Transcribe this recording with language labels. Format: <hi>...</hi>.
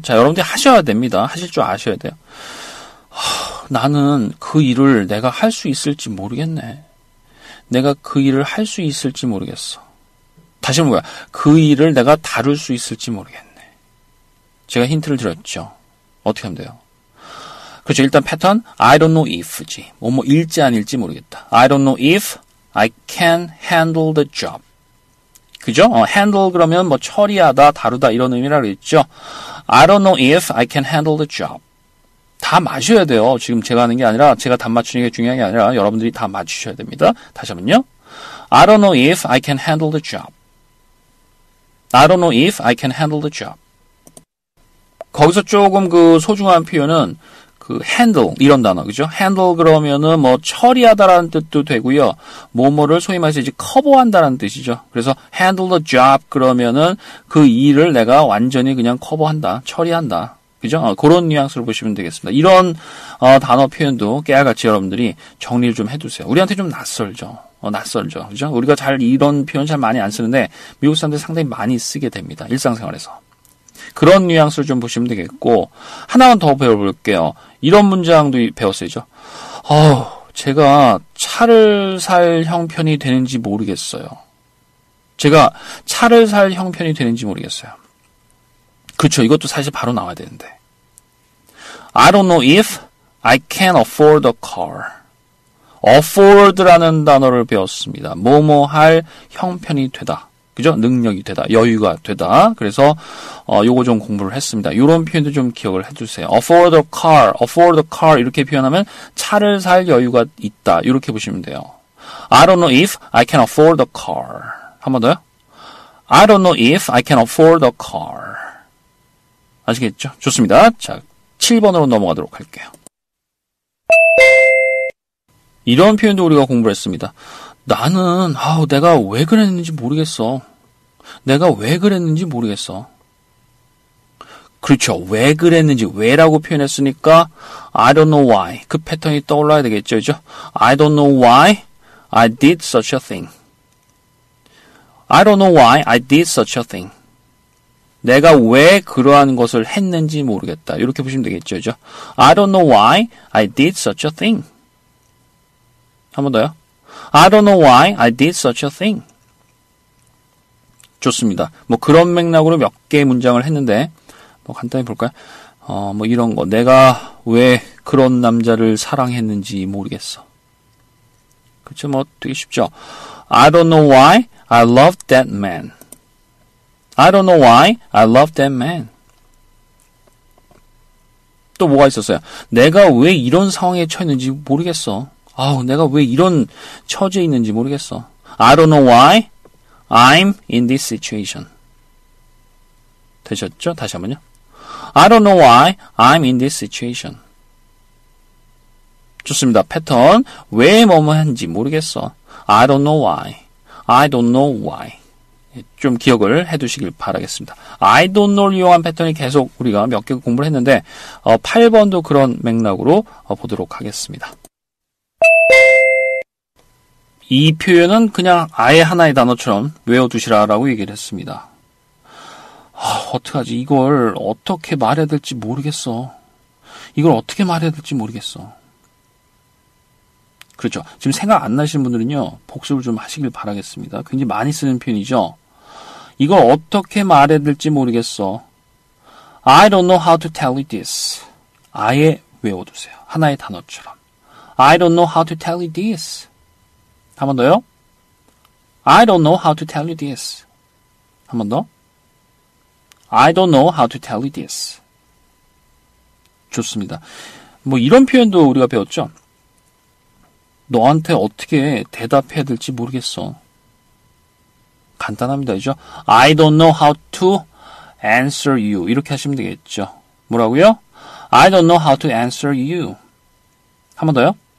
<ko>자, 여러분들이 하셔야 됩니다. 하실 줄 아셔야 돼요. 나는 그 일을 내가 할 수 있을지 모르겠네. 내가 그 일을 할 수 있을지 모르겠어. 다시 한번 뭐야? 그 일을 내가 다룰 수 있을지 모르겠네. 제가 힌트를 드렸죠. 어떻게 하면 돼요? 그렇죠. 일단 패턴</ko> <en>I don't know if</en> <ko>지. 뭐뭐 일지 아닐지 모르겠다.</ko> <en>I don't know if I can handle the job.</en> <ko>그죠? 어, handle 그러면 뭐 처리하다, 다루다 이런 의미라고 했죠.</ko> <en>I don't know if I can handle the job.</en> <ko>다 마셔야 돼요. 지금 제가 하는 게 아니라 제가 답 맞추는 게 중요한 게 아니라 여러분들이 다 맞추셔야 됩니다. 다시 한번요.</ko> <en>I don't know if I can handle the job. I don't know if I can handle the job.</en> <ko>거기서 조금 그 소중한 표현은 그 handle 이런 단어, 그죠? handle 그러면은 뭐 처리하다라는 뜻도 되고요. 뭐뭐를 소위 말해서 이제 커버한다라는 뜻이죠. 그래서 handle the job 그러면은 그 일을 내가 완전히 그냥 커버한다, 처리한다. 그죠? 어, 그런 뉘앙스로 보시면 되겠습니다. 이런 어, 단어 표현도 깨알같이 여러분들이 정리를 좀 해두세요. 우리한테 좀 낯설죠. 어, 낯설죠. 그죠? 우리가 잘 이런 표현 잘 많이 안 쓰는데 미국 사람들 상당히 많이 쓰게 됩니다. 일상생활에서. 그런 뉘앙스를 좀 보시면 되겠고 하나만 더 배워볼게요. 이런 문장도 배웠어야죠. 제가 차를 살 형편이 되는지 모르겠어요. 제가 차를 살 형편이 되는지 모르겠어요. 그렇죠. 이것도 사실 바로 나와야 되는데.</ko> <en>I don't know if I can afford a car.</en> <ko>afford라는 단어를 배웠습니다. 뭐뭐 할 형편이 되다. 그죠? 능력이 되다. 여유가 되다. 그래서 요거 좀 공부를 했습니다. 요런 표현도 좀 기억을 해주세요. afford a car. afford a car 이렇게 표현하면 차를 살 여유가 있다. 이렇게 보시면 돼요.</ko> <en>I don't know if I can afford a car.</en> <ko>한 번 더요.</ko> <en>I don't know if I can afford a car.</en> <ko>아시겠죠? 좋습니다. 자, 7번으로 넘어가도록 할게요. 이런 표현도 우리가 공부를 했습니다. 나는 내가 왜 그랬는지 모르겠어. 내가 왜 그랬는지 모르겠어. 그렇죠. 왜 그랬는지 왜라고 표현했으니까</ko> <en>I don't know why.</en> <ko>그 패턴이 떠올라야 되겠죠. 그렇죠?</ko> <en>I don't know why I did such a thing. I don't know why I did such a thing.</en> <ko>내가 왜 그러한 것을 했는지 모르겠다. 이렇게 보시면 되겠죠. 그렇죠?</ko> <en>I don't know why I did such a thing.</en> <ko>한 번 더요.</ko> <en>I don't know why I did such a thing.</en> <ko>좋습니다. 뭐 그런 맥락으로 몇 개의 문장을 했는데 뭐 간단히 볼까요? 뭐 이런 거. 내가 왜 그런 남자를 사랑했는지 모르겠어. 그렇죠. 뭐 되게 쉽죠.</ko> <en>I don't know why I loved that man. I don't know why I loved that man.</en> <ko>또 뭐가 있었어요? 내가 왜 이런 상황에 처했는지 모르겠어. 내가 왜 이런 처지에 있는지 모르겠어.</ko> <en>I don't know why I'm in this situation.</en> <ko>되셨죠? 다시 한 번요.</ko> <en>I don't know why I'm in this situation.</en> <ko>좋습니다. 패턴. 왜 뭐뭐 하는지 모르겠어.</ko> <en>I don't know why. I don't know why.</en> <ko>좀 기억을 해두시길 바라겠습니다.</ko> <en>I don't know</en> <ko>를 이용한 패턴이 계속 우리가 몇 개 공부를 했는데 8번도 그런 맥락으로 보도록 하겠습니다. 이 표현은 그냥 아예 하나의 단어처럼 외워두시라라고 얘기를 했습니다. 어떡하지? 이걸 어떻게 말해야 될지 모르겠어. 이걸 어떻게 말해야 될지 모르겠어. 그렇죠. 지금 생각 안 나시는 분들은요. 복습을 좀 하시길 바라겠습니다. 굉장히 많이 쓰는 표현이죠. 이걸 어떻게 말해야 될지 모르겠어.</ko> <en>I don't know how to tell you this.</en> <ko>아예 외워두세요. 하나의 단어처럼.</ko> <en>I don't know how to tell you this.</en> <ko>한 번 더요.</ko> <en>I don't know how to tell you this.</en> <ko>한 번 더.</ko> <en>I don't know how to tell you this.</en> <ko>좋습니다. 뭐 이런 표현도 우리가 배웠죠. 너한테 어떻게 대답해야 될지 모르겠어. 간단합니다. 그죠?</ko> <en>I don't know how to answer you.</en> <ko>이렇게 하시면 되겠죠. 뭐라고요?</ko> <en>I don't know how to answer you.</en> <ko>한 번 더요.</ko>